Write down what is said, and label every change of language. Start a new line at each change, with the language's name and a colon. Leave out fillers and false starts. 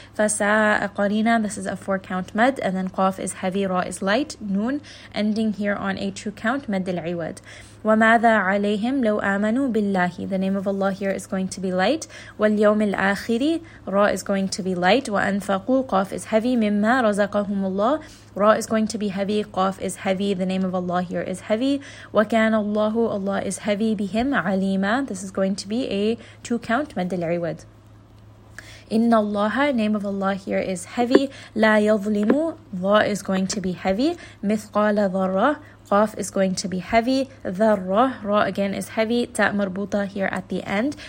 Arabic: فَسَاءَ قَرِينًا,
English: this is a four count mad. And then قَاف is heavy. رَا is light. نُون, ending here on a two count. مَدِّ الْعِوَدِ.
Arabic: وماذا عليهم لو آمنوا بالله.
English: The name of Allah here is going to be light.
Arabic: واليوم الآخر
English: راء is going to be light.
Arabic: وأنفقوا قاف
English: is heavy
Arabic: مما رزقهم الله.
English: راء is going to be heavy. قاف is heavy. The name of Allah here is heavy.
Arabic: وكان الله
English: Allah is heavy
Arabic: بهم عليما.
English: This is going to be a two count مد العوض.
Arabic: Inna Allah,
English: name of Allah here is heavy.
Arabic: La yadhlimu,
English: dha is going to be heavy.
Arabic: Mithqala dharra,
English: qaf is going to be heavy. Dharra, ra again is heavy. Ta marbuta here at the end.